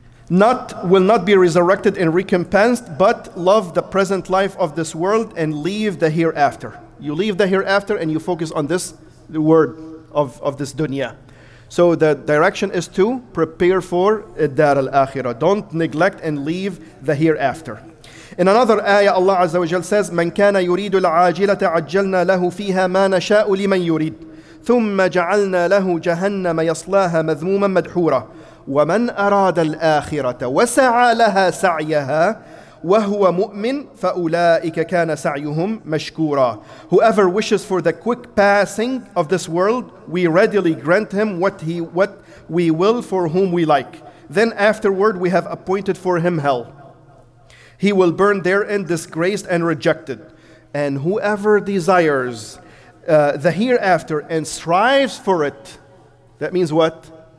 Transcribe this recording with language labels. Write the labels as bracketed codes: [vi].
[en] Will not be resurrected and recompensed, but love the present life of this world and leave the hereafter. You leave the hereafter and you focus on this, the word of this dunya. So the direction is to prepare for [ar] الدار الآخرة. [en] Don't neglect and leave the hereafter. In another ayah, Allah Azza wa Jal says, [ar] مَنْ كَانَ يُرِيدُ الْعَاجِلَةَ عَجَّلْنَا لَهُ فِيهَا مَا نَشَاءُ لِمَنْ يُرِيدُ ثُمَّ جَعَلْنَا لَهُ جَهَنَّمَ يَصْلَاهَا مَذْمُومًا مَدْحُورًا وَمَنْ أَرَادَ الْآخِرَةَ وَسَعَى لَهَا سَعْيَهَا وَهُوَ مُؤْمِنٌ فَأُولَٰئِكَ كَانَ سَعْيُهُمْ مَشْكُورًا. [en] Whoever wishes for the quick passing of this world, we readily grant him what we will for whom we like. Then afterward, we have appointed for him hell. He will burn therein, disgraced and rejected. And whoever desires the hereafter and strives for it, that means what?